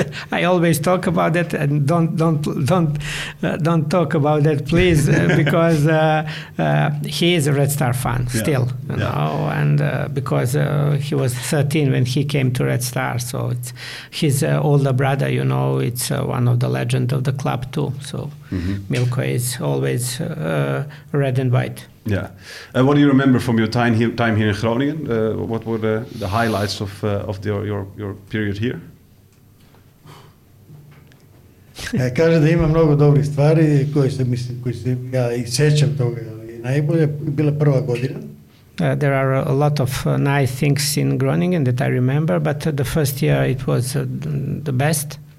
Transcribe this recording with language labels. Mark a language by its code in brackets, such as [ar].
[en] I always talk about that and don't talk about that, please, because he is a Red Star fan still, you know, and because he was 13 when he came to Red Star, so it's his older brother, you know, it's one of the legends of the club too, so Milko is always red and white. Yeah. What do you remember from your time here in Groningen? What were the highlights of your period here? [sr] Kaže da ima mnogo dobrih stvari koje se ja i sećam toga. Najbolje bila prva godina. [en] There are a lot of nice things in Groningen that I remember, but the first year it was the best.